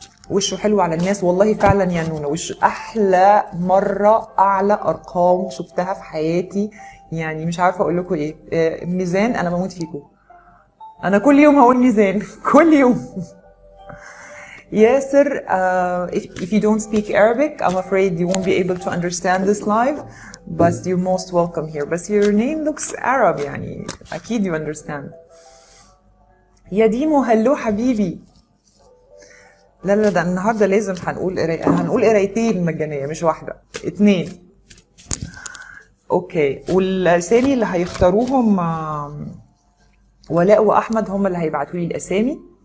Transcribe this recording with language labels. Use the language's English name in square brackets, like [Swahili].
[Arabic] وشه حلو على الناس، والله فعلا يا نونا وشه احلى مره، اعلى ارقام شفتها في حياتي، يعني مش عارفه اقول لكم ايه. ميزان انا بموت فيكم، انا كل يوم هقول ميزان كل يوم. [English] ياسر: if you don't speak Arabic I'm afraid you won't be able to understand this live, but you're most welcome here. But your name looks Arab, [Arabic] يعني اكيد [English] you understand. [Arabic] يا ديمو: هلو حبيبي. لا لا، ده النهارده لازم هنقول قرايتين مجانيه، مش واحده، اتنين. اوكي، والاسامي اللي هيختاروهم ولاء واحمد هم اللي هيبعتوا لي الاسامي.